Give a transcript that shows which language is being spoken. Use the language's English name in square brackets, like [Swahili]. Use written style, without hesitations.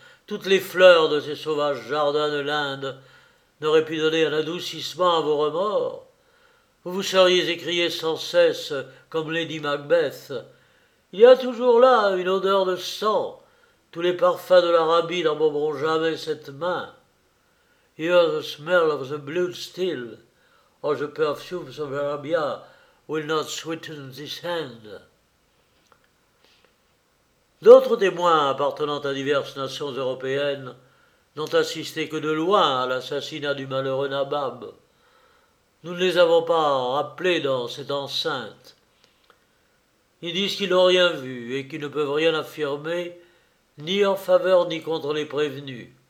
[French] Toutes les fleurs de ces sauvages jardins de l'Inde n'auraient pu donner un adoucissement à vos remords. Vous vous seriez écrié sans cesse comme Lady Macbeth. Il y a toujours là une odeur de sang. Tous les parfums de l'Arabie n'embaumeront jamais cette main. [English] Here's the smell of the blood still, or the perfumes of Arabia will not sweeten this hand. [French] D'autres témoins appartenant à diverses nations européennes n'ont assisté que de loin à l'assassinat du malheureux Nabab. Nous ne les avons pas rappelés dans cette enceinte. Ils disent qu'ils n'ont rien vu et qu'ils ne peuvent rien affirmer, ni en faveur ni contre les prévenus.